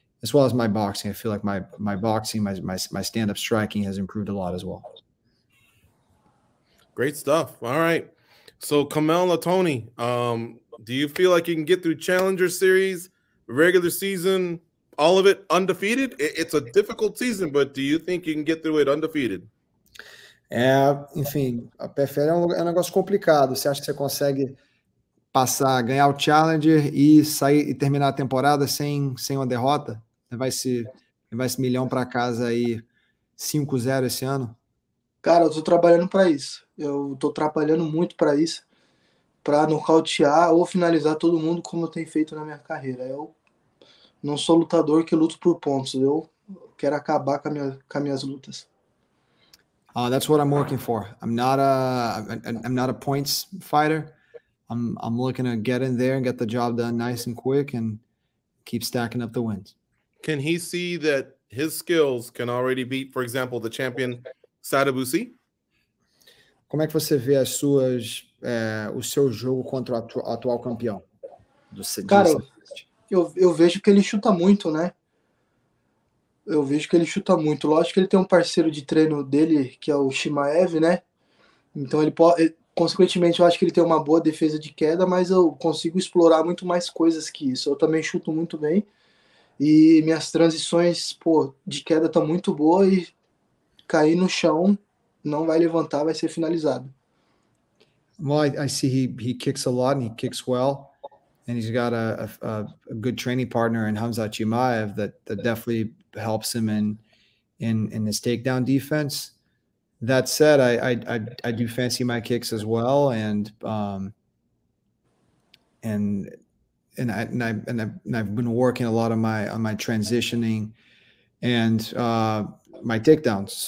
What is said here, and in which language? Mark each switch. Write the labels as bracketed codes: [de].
[en] As well as my boxing, I feel like my boxing, my stand-up striking has improved a lot as well. Great stuff. All right. So, Quemuel Ottoni, do you feel like you can get through Challenger Series, regular season, all of it undefeated? It's a difficult season, but do you think you can get through it undefeated? [pt] É, enfim, a PFL é um negócio complicado. Você acha que você consegue passar, ganhar o Challenger e sair e terminar a temporada sem uma derrota? Vai esse milhão para casa aí, 5-0 esse ano? Cara, eu tô trabalhando para isso. Eu tô trabalhando muito para isso, para nocautear ou finalizar todo mundo como eu tenho feito na minha carreira. Eu não sou lutador que luto por pontos. Eu quero acabar com as minhas lutas. [en] That's what I'm working for. I'm not a points fighter. I'm looking to get in there and get the job done nice and quick and keep stacking up the wins. Can he see that his skills can already beat, for example, the champion Sadabusi? [pt] Como é que você vê as suas o seu jogo contra o atual campeão? Cara, eu vejo que ele chuta muito, né? Eu vejo que ele chuta muito. Lógico que ele tem um parceiro de treino dele, que é o Shimaev, né? Então, ele pode, consequentemente, eu acho que ele tem uma boa defesa de queda, mas eu consigo explorar muito mais coisas que isso. Eu também chuto muito bem. E minhas transições, pô, de queda estão muito boas e cair no chão, não vai levantar, vai ser finalizado. [en] Well, I see he kicks a lot and he kicks well. And he's got a good training partner in Hamzat Chimaev that definitely helps him in his takedown defense. That said, I do fancy my kicks as well, and I've been working a lot on my transitioning and my takedowns.